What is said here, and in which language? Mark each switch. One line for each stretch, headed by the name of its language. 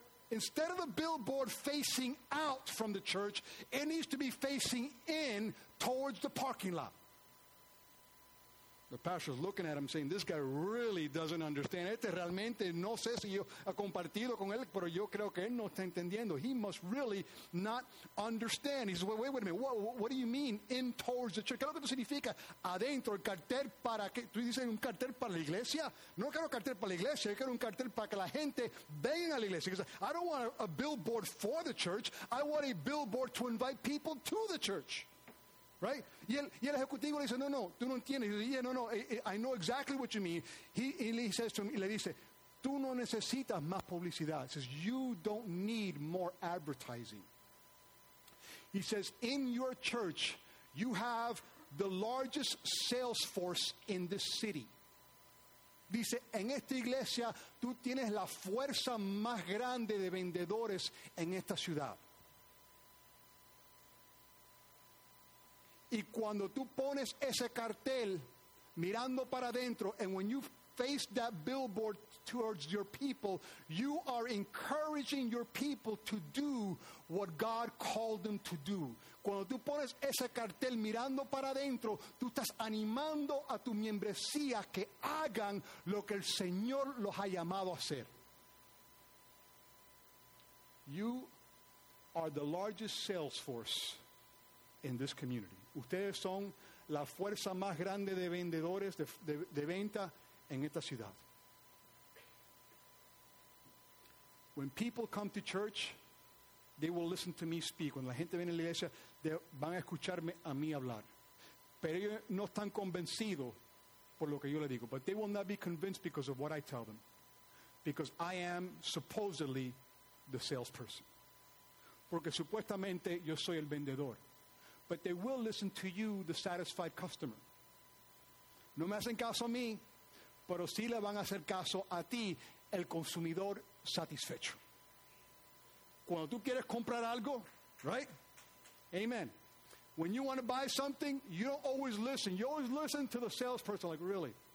English: Instead of the billboard facing out from the church, it needs to be facing in towards the parking lot. The pastor's looking at him saying, this guy really doesn't understand.
Spanish: Este realmente, no sé si yo he compartido con él, pero yo creo que él no está entendiendo.
English: He must really not understand. He says, wait a minute. What do you mean in towards the church?
Spanish: ¿Qué es lo que significa? Adentro, el cartel para que, tú dices un cartel para la iglesia. No quiero cartel para la iglesia. Yo quiero un cartel para que la gente venga a la iglesia.
English: He says, I don't want a billboard for the church. I want a billboard to invite people to the church. Right?
Spanish: Y el ejecutivo le dice, no, tú no entiendes. Y dice,
English: yeah, no, I know exactly what you mean. He says to him,
Spanish: y le dice, tú no necesitas más publicidad.
English: He says, you don't need more advertising. He says, in your church, you have the largest sales force in this city.
Spanish: Dice, en esta iglesia, tú tienes la fuerza más grande de vendedores en esta ciudad. Y cuando tú pones ese cartel mirando para adentro,
English: and when you face that billboard towards your people, you are encouraging your people to do what God called them to do.
Spanish: Cuando tú pones ese cartel mirando para adentro, tú estás animando a tu membresía que hagan lo que el Señor los ha llamado a hacer.
English: You are the largest sales force in this community.
Spanish: Ustedes son la fuerza más grande de vendedores de venta en esta ciudad.
English: When people come to church, they will listen to me speak.
Spanish: Cuando la gente viene a la iglesia, van a escucharme a mí hablar. Pero ellos no están convencidos por lo que yo le digo.
English: But they will not be convinced because of what I tell them. because I am supposedly the salesperson.
Spanish: Porque supuestamente yo soy el vendedor.
English: But they will listen to you, the satisfied customer.
Spanish: No me hacen caso a mí, pero sí le van a hacer caso a ti, el consumidor satisfecho. Cuando tú quieres comprar algo,
English: right?
Spanish: Amen.
English: When you want to buy something, you don't always listen. You always listen to the salesperson, like, really?